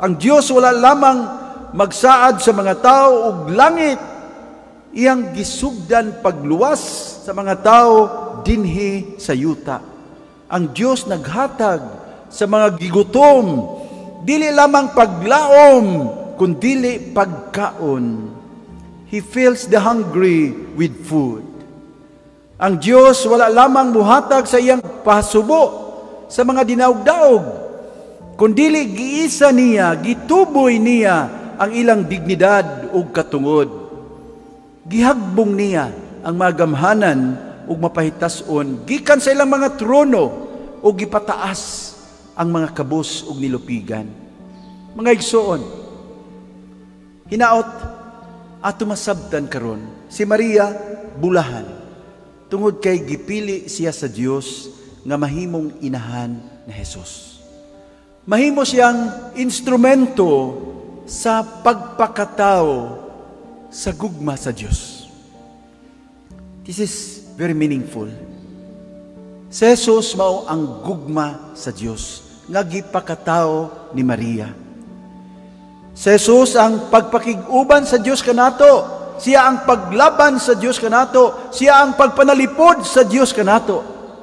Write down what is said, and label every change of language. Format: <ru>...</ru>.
<ceb>Ang Diyos wala lamang magsaad sa mga tao o langit, iyang gisugdan pagluwas sa mga tao dinhi sa yuta. Ang Diyos naghatag sa mga gigutom, dili lamang paglaom, kundili pagkaon.</ceb> <en>He fills the hungry with food.</en> <ceb>Ang Diyos wala lamang muhatag sa iyang pasubo sa mga dinaugdaog, kundili giisa niya, gitubuy niya ang ilang dignidad ug katungod. Gihagbong niya ang mga gamhanan ug mapahitas-on gikan sa ilang mga trono ug gipataas ang mga kabus ug nilupigan. Mga igsoon, hinaot ato masabtan karon si Maria bulahan tungod kay gipili siya sa Dios nga mahimong inahan na Jesus. Mahimo siyang instrumento sa pagpakatao sa gugma sa Dios.</ceb> <en>This is very meaningful.</en> <ceb>Si Jesus mao ang gugma sa Dios nga gipakatao ni Maria. Si Jesus ang pagpakiguban sa Dios kanato. Siya ang paglaban sa Dios kanato. Siya ang pagpanalipod sa Dios kanato.</ceb>